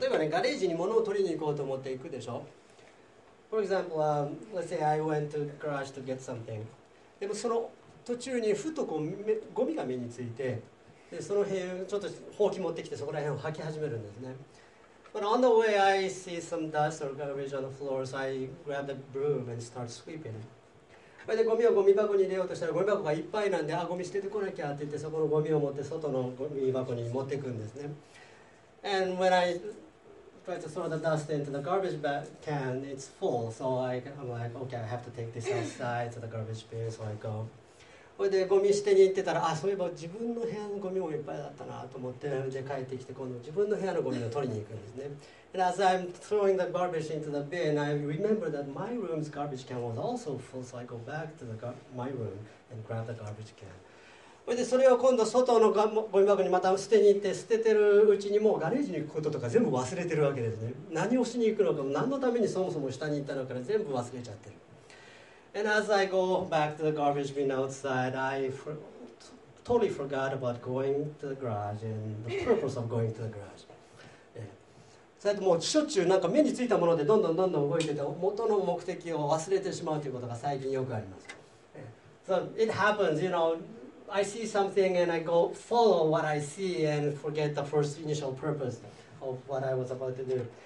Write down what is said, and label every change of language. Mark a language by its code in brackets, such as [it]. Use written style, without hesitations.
[ja] 例えばね、ガレージに物を取りに行こうと思って行くでしょ。 [en] For example, let's say I went to the garage to get something. [ja] でもその途中にふとこうゴミが目について、でその辺ちょっとほうき持ってきてそこら辺を履き始めるんですね。 [en] But on the way I see some dust or garbage on the floor, so I grab the broom and start sweeping. [ja] それでゴミをゴミ箱に入れようとしたらゴミ箱がいっぱいなんで、あ、ゴミ捨ててこなきゃって言って、そこのゴミを持って外のゴミ箱に持っていくんですね。 [en] And when I try to throw the dust into the garbage can, it's full. So I'm like, okay, I have to take this outside to the garbage bin, so I go. [ja] それでゴミ捨てに行ってたら、あ、そういえば自分の部屋のゴミもいっぱいだったなと思って、で帰ってきて、今度自分の部屋のゴミを取りに行くんですね。 [en] And as I'm throwing the garbage into the bin, I remember that my room's garbage can was also full, so I go back to the my room and grab the garbage can. [ja] それでそれを今度外のゴミ箱にまた捨てに行って、捨ててるうちにもうガレージに行くこととか全部忘れてるわけですね。何をしに行くのか、何のためにそもそも下に行ったのか全部忘れちゃってる。 [en] And as I go back to the garbage bin outside, I totally forgot about going to the garage and the purpose of going to the garage. [ja] それともうしょっちゅうなんか目についたものでどんどんどんどん動いてて、元の目的を忘れてしまうということが最近よくあります。 [en] So it happens, you know, I see something and I go follow what I see and forget the first initial purpose of what I was about to do.